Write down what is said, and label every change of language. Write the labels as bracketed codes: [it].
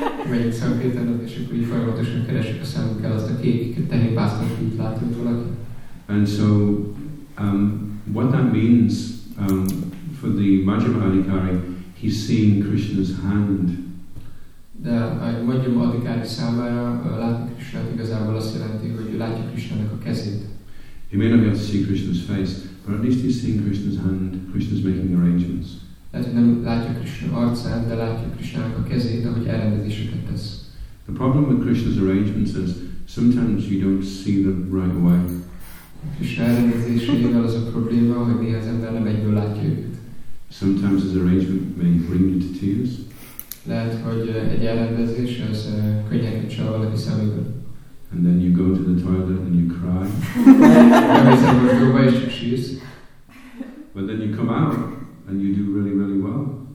[hu] Megyünk Sankirtanot, és akkor így folyamatosan keresünk a szemünkkel azt a kék tehénpásztort, hogy látunk valaki. [en] And so, what that means for the Majjhima Adhikari, he's seeing Krishna's hand. [hu] De a Majjhima Adhikari számára látni Krishnát igazából azt jelenti, hogy ő látja Krishnának a kezét. [en] He may not be able to see Krishna's face, but at least he's seeing Krishna's hand. Krishna's making arrangements. [hu] Nem látja Krishna arcát, de látja Krishnának a kezét, ahogy elrendezéseket tesz. [en] The problem with Krishna's arrangements is sometimes you don't see them right away. [hu] Krishna elrendezésével az a probléma, hogy néha az ember nem egyből látja őket. [en] Sometimes his arrangement may bring you to tears. [hu] Lehet, hogy egy elrendezés az könnyen kicsal valaki szemében. [en] And then you go to the toilet and you cry. But then you come out and you do really, really well.